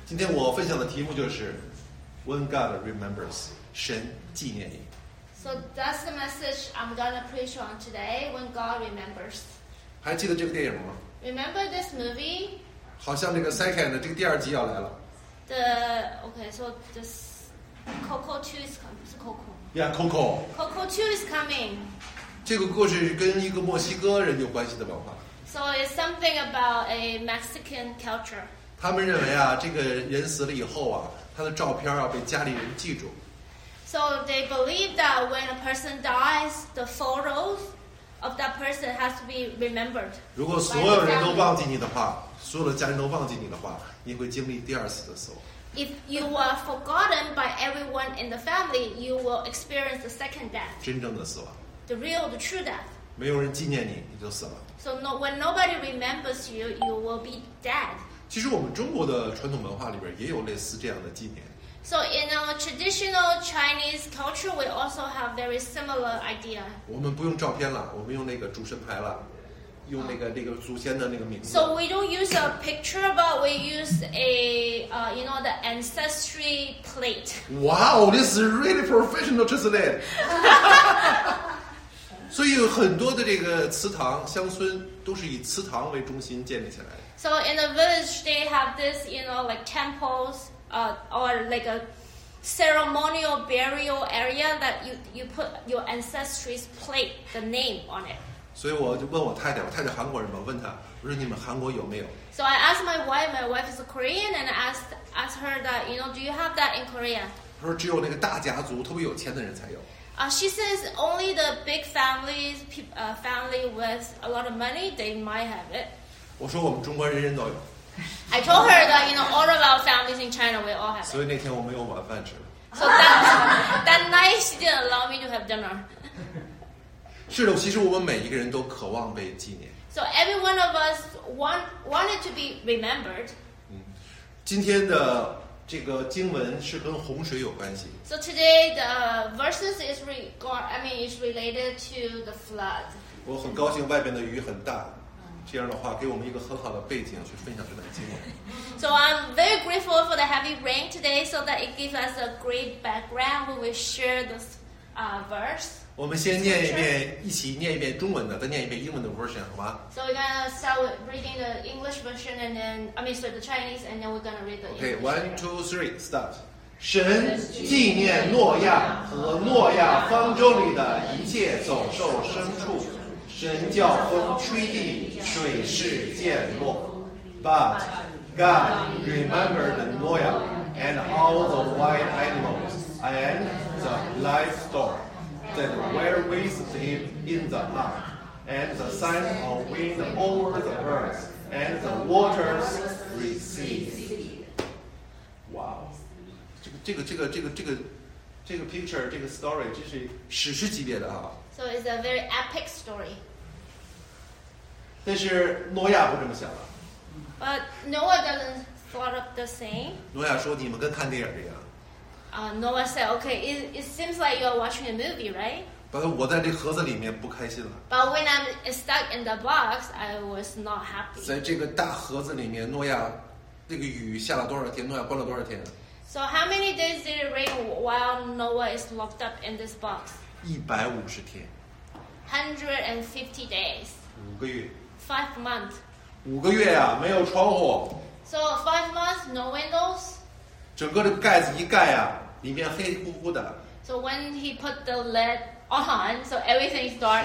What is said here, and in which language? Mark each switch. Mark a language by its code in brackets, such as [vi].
[zh] 今天我分享的题目就是 [en] When God remembers， [zh] 神纪念你。 [en] So that's the message I'm gonna preach on today. When God remembers， [zh] 还记得这个电影吗？ [en] Remember this movie？ [zh] 好像这个 second 这个第二集要来了。 [en] The okay, so this Coco 2 is coming. [zh] 是 Coco。 [en] Yeah, Coco. Coco 2 is coming. [zh] 这个故事跟一个墨西哥人有关系的文化。 [en] So it's something about a Mexican culture. [zh] 他们认为啊，这个人死了以后啊，他的照片啊被家里人记住。 [en] So they believe that when a person dies, the photos of that person has to be remembered. [zh] 如果所有人都忘记你的话，所有的家人都忘记你的话，你会经历第二次的死亡。 [en] If you are forgotten by everyone in the family, you will experience the second death. [zh] 真正的死亡。 [en] The real, the true death. [zh] 没有人纪念你，你就死了。 [en] So no, when nobody remembers you, you will be dead. [zh] 其实我们中国的传统文化里边也有类似这样的纪念。 [en] So in our traditional Chinese culture, we also have very similar idea. [zh] 我们不用照片了，我们用那个主神牌了，用那个祖先的那个名字。 [en] So we don't use a picture, but we use a you know the ancestry plate. Wow, this is really professional, Tristan. [zh] 所以很多的这个祠堂、乡村都是以祠堂为中心建立起来的。 [en] So in the village, they have this, you know, like temples, or like a ceremonial burial area that you put your ancestry's plate, the name on it. [zh] 所以我就问我太太，我太太韩国人嘛，问她，我说你们韩国有没有 [en] ？So I asked my wife is a Korean, and asked her that, you know, do you have that in Korea? [zh] 她说只有那个大家族特别有钱的人才有。 [en] She says only the big families, family with a lot of money, they might have it. [zh] 我说我们中国人人都有。 [en] I told her that you know all of our families in China we all have. [zh] 所以那天我没有晚饭吃。 [en] So that night she didn't allow me to have dinner. [zh] 是的，其实我们每一个人都渴望被纪念。 [en] So every one of us wanted to be remembered. [zh] 今天的这个经文是跟洪水有关系。 [en] So today the verses is related to the flood. [zh] 我很高兴外边的雨很大。这样的话给我们一个很好的背景去分享这段经文。 [en] So I'm very grateful for the heavy rain today so that it gives us a great background when we share this verse. [zh] 我们先念一遍，一起念一遍中文的，再念一遍英文的 version 好吗？ [en] So we're going to start with reading the English version and then, the Chinese, and then we're going to read the English version. Okay, 1, 2, 3, start. [zh] 神纪念诺亚和诺亚方舟里的一切走兽牲畜。神叫风吹地，水势渐落。 [en] But God remembered Noah and all the wild animals and the livestock that were with him in the ark, and the sound of wind over the earth, and the waters receded. Wow, [zh] 这个 picture, 这个 story, 这是史诗级别的啊。 [en] So it's a very epic story. [zh] 但是诺亚不这么想了。 [en] But Noah doesn't thought of the same. [zh] 诺亚说：“你们跟看电影一样。” [en] Noah said, "Okay, it seems like you're watching a movie, right?" [zh] But 我在这盒子里面不开心了。 [en] But when I'm stuck in the box, I was not happy. [zh] 在这个大盒子里面，诺亚那个雨下了多少天？诺亚关了多少天 [en] ？So how many days did it rain while Noah is locked up in this box? [zh] 150天。 [en] 150 days. [zh] 5个月。 [en] 5 months. [zh] 5个月啊，没有窗户。 [en] So 5 months, no windows. [zh] 整个这个盖子一盖啊，里面黑乎乎的。 [en] So when he put the lid on, so everything is dark.